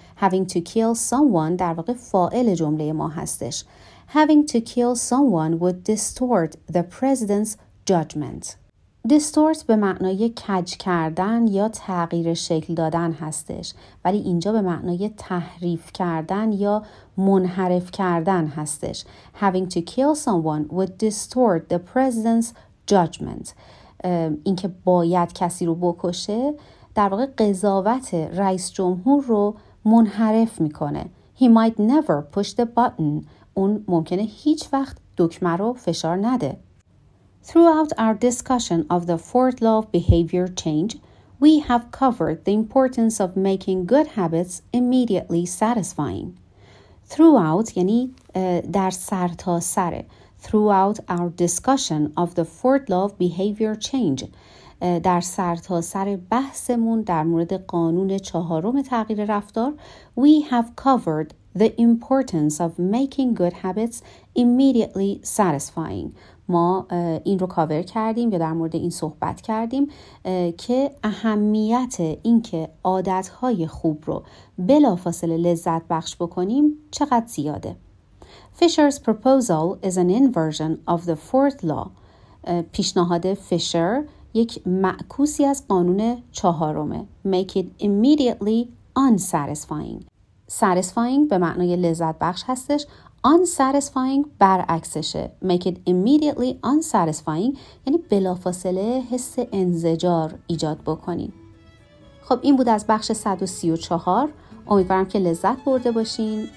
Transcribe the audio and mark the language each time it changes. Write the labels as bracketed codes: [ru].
[en] Having to kill someone [fa] در واقع فاعل جمله ما هستش. [en] Having to kill someone would distort the president's judgment. [fa] Distort به معنای کج کردن یا تغییر شکل دادن هستش، ولی اینجا به معنای تحریف کردن یا منحرف کردن هستش. [en] Having to kill someone would distort the president's judgment. [fa] اینکه باید کسی رو بکشه در واقع قضاوت رئیس جمهور رو منحرف میکنه. [en] He might never push the button. [fa] اون ممکنه هیچ وقت دکمه رو فشار نده. [en] Throughout our discussion of the fourth law of behavior change, we have covered the importance of making good habits immediately satisfying. [fa] Throughout یعنی در سر تا سر. [en] Throughout our discussion of the fourth law of behavior change, [fa] در سر تا سر بحثمون در مورد قانون چهارم تغییر رفتار، [en] we have covered the importance of making good habits immediately satisfying. [fa] ما این رو کاور کردیم یا در مورد این صحبت کردیم که اهمیت اینکه عادت‌های خوب رو بلافاصله لذت بخش بکنیم چقدر زیاده. [en] Fisher's proposal is an inversion of the fourth law. [fa] پیشنهاد فیشر یک معکوسی از قانون چهارمه. [en] Make it immediately unsatisfying. [fa] Satisfying به معنای لذت بخش هستش. Unsatisfying برعکسشه. [en] Make it immediately unsatisfying [fa] یعنی بلافاصله حس انزجار ایجاد بکنین. خب این بود از بخش 134. امیدوارم که لذت برده باشین.